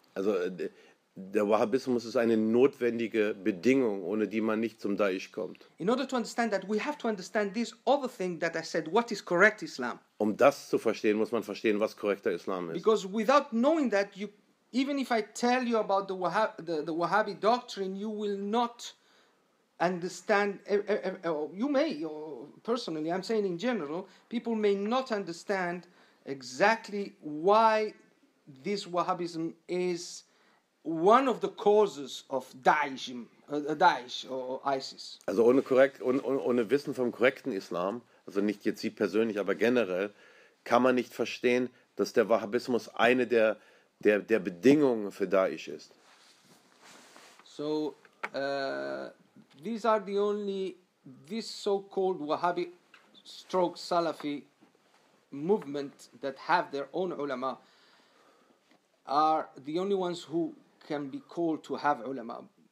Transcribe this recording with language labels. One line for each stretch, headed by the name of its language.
German: Also der Wahhabismus ist eine notwendige Bedingung, ohne die man nicht zum Daesh kommt.
English: In order to understand that, we have to understand this other thing that I said, what is correct Islam.
German: Um das zu verstehen, muss man verstehen, was korrekter Islam ist.
English: Because without knowing that, you, even if I tell you about the Wahhabi doctrine, you will not understand. You may, or personally, I'm saying in general, people may not understand exactly why this Wahhabism is one of the causes of Daesh or ISIS.
German: Also ohne Wissen vom korrekten Islam, also nicht jetzt Sie persönlich, aber generell, kann man nicht verstehen, dass der Wahhabismus eine der Bedingungen für Daesh ist.
English: So, these are the only, this so-called Wahhabi stroke Salafi movement that have their own ulama are the only ones who can be called to have ulama.